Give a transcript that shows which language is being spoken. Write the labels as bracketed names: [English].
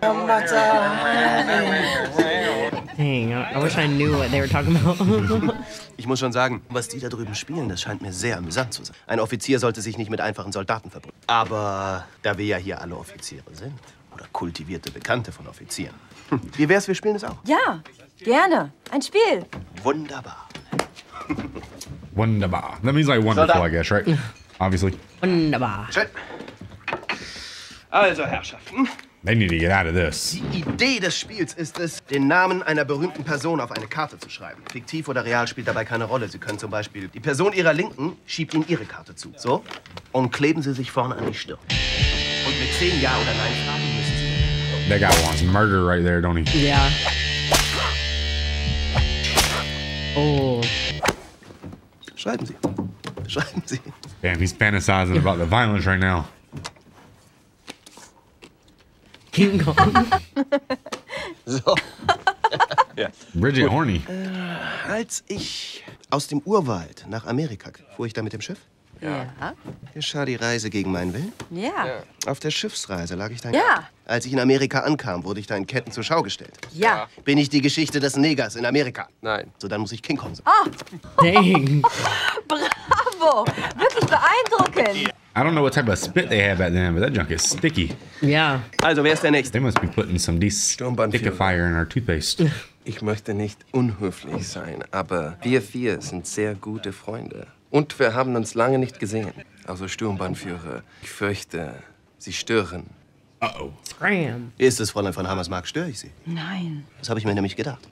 [English] Dang, I wish I knew what they were talking about. [German] Ich muss schon sagen, was die da drüben spielen, das scheint mir sehr amüsant zu sein. Ein Offizier sollte sich nicht mit einfachen Soldaten verbrüdern. Aber da wir ja hier alle Offiziere sind, oder kultivierte Bekannte von Offizieren, wie wär's, wir spielen es auch? Ja, gerne. Ein Spiel. Wunderbar. Wunderbar. [English] That means like wonderful, Soldat. I guess, right? Obviously. [German] Wunderbar. Schön. Also, Herrschaften. [English] They need to get out of this. [German] Die Idee des Spiels ist es, den Namen einer berühmten Person auf eine Karte zu schreiben. Fiktiv oder real spielt dabei keine Rolle. Sie können zum Beispiel die Person ihrer Linken schiebt ihnen ihre Karte zu. So? Und kleben sie sich vorne an die Stirn. Und mit 10 Ja oder Nein fragen müssen sie. [English] That guy wants murder right there, don't he? Yeah. Oh. [German] Schreiben sie. Schreiben sie. [English] Damn, he's fantasizing about the violence right now. King Kong. So. Bridget horny. [German] Als ich aus dem Urwald nach Amerika fuhr ich da mit dem Schiff? Ja. Geschah die Reise gegen meinen Willen? Ja. Yeah. Auf der Schiffsreise lag ich da in... Ja. Als ich in Amerika ankam, wurde ich da in Ketten zur Schau gestellt. Ja. Bin ich die Geschichte des Negers in Amerika? Nein. So, dann muss ich King Kong sein. Ah! Dang! Bravo! Wirklich beeindruckend! Yeah. [English] I don't know what type of spit they had back then, but that junk is sticky. Yeah. [German] Also, wer ist der Nächste? [English] They must be putting some dickifier in our toothpaste. [German] Ich möchte nicht unhöflich sein, aber wir vier sind sehr gute Freunde. Und wir haben uns lange nicht gesehen. Also, Sturmbahnführer, ich fürchte, Sie stören. [English] Uh-oh. Scram. [German] Ist es Fräulein von Hammersmark, störe ich Sie? Nein. Das habe ich mir nämlich gedacht.